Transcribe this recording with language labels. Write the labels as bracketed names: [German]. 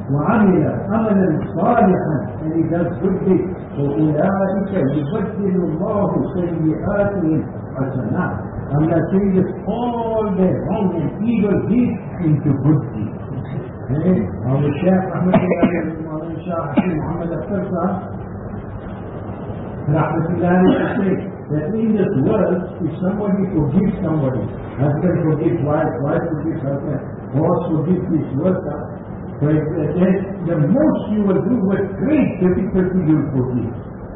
[Arabic] وعمل عملا صالحا [English] and he does good things. So [Arabic] أولئك يبدل الله سيئاتهم حسنات. [English] Allah changes all their wrong and evil deeds into good deeds. Our Shaykh Ahmad Al-Ali, our Shaykh Muhammad Al-Fatah, Rahmatullah Al-Ali said that in this world, if somebody forgives somebody, husband forgives wife forgives husband, boss forgives his worker, then the most you will do with great difficulty you will forgive.